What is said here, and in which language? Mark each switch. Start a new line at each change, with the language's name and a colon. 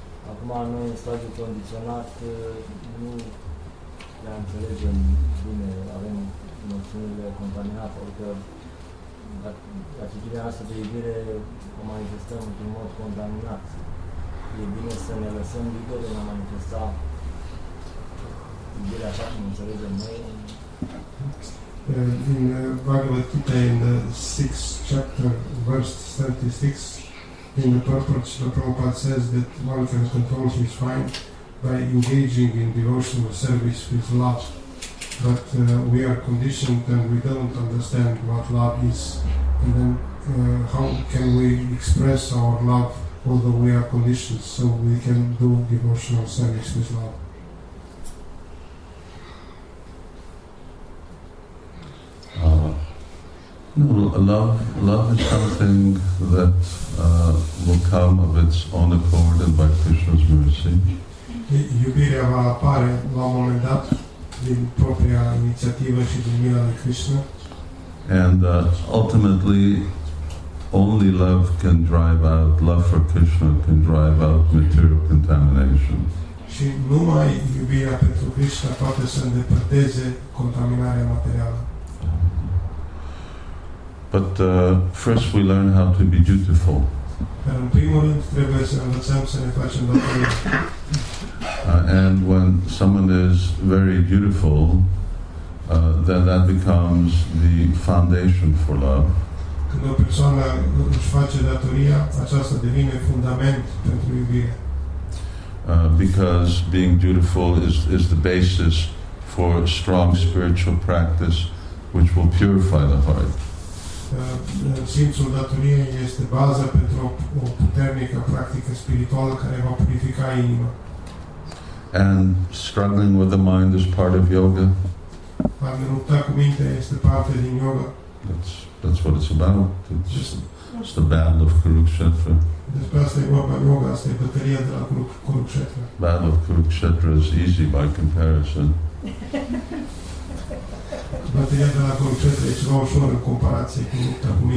Romanian: Acum noi în stadiul condiționat nu le înțelegem bine, avem noțiunile contaminate, orică atitudinea asta de iubire o manifestăm într-un mod contaminat. E bine să ne lăsăm liberi în a manifesta iubirea așa cum înțelegem noi.
English: In Bhagavad Gita, in the 6th chapter, verse 36, in the purport, Srila Prabhupada says that one can control his mind by engaging in devotional service with love. But we are conditioned and we don't understand what love is. And then how can we express our love although we are conditioned so we can do devotional service with love? No, love is something that will come of its own accord and by Krishna's mercy.
Romanian: Iubirea va apare la un moment dat din propria inițiativă și din mila lui Krishna.
English: And ultimately, only love can drive out, love for Krishna can drive out material contamination.
Romanian: Și numai iubirea pentru Krishna poate să îndepărteze contaminarea materială.
English: But first we learn how to be dutiful.
Romanian: În primul rând trebuie să învățăm să ne facem datorii.
English: And when someone is very dutiful, then that becomes the foundation for love.
Romanian: Când o persoană își face datoria, aceasta devine fundament pentru iubire.
English: Because being dutiful is the basis for strong spiritual practice which will purify the heart.
Romanian: Simțul datoriei este baza pentru o puternică practică spirituală care va purifica inima.
English: And struggling with the mind is part of yoga.
Romanian: A lupta cu mintea este parte din yoga.
English: That's what it's about. It's the battle of Kurukshetra.
Romanian: Despre asta e vorba în yoga, asta e bătălia de la Kurukshetra.
English: Battle of Kurukshetra is easy by comparison. But you have to have a very short comparison with Takumi.